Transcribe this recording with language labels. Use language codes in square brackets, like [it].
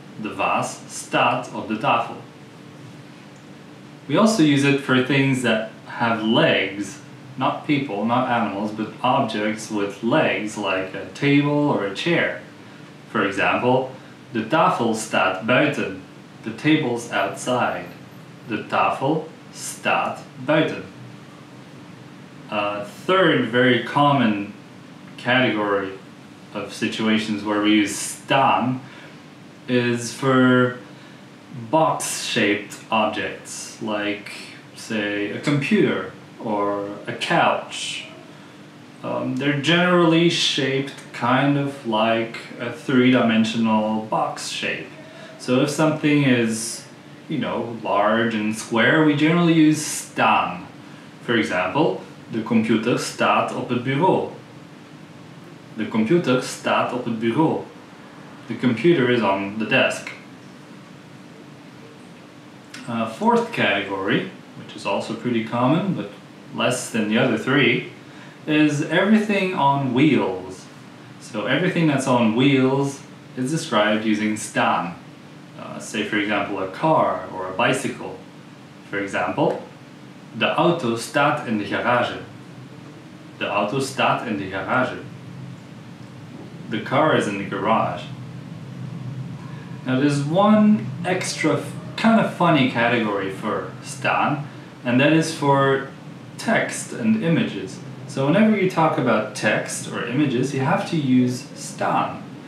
[nl] De vaas staat op de tafel. [en] We also use it for things that have legs. Not people, not animals, but objects with legs, like a table or a chair. For example, [nl] de tafel staat buiten. [en] The table's outside. [nl] De tafel staat buiten. [en] A third very common category of situations where we use staan is for box-shaped objects, like, say, a computer or a couch. They're generally shaped kind of like a three-dimensional box shape. So if something is, you know, large and square, we generally use staan. [nl] For example, de computer staat op het bureau. De computer staat op het bureau. [en] The computer is on the desk. A fourth category, which is also pretty common, but less than the other three, is everything on wheels. So everything that's on wheels is described using staan. Say for example a car or a bicycle. For example, [nl] de auto staat in de garage. De auto staat in de garage. [en] The car is in the garage. Now there's one extra kind of funny category for staan, and that is for text and images. So whenever you talk about text or images, you have to use staan.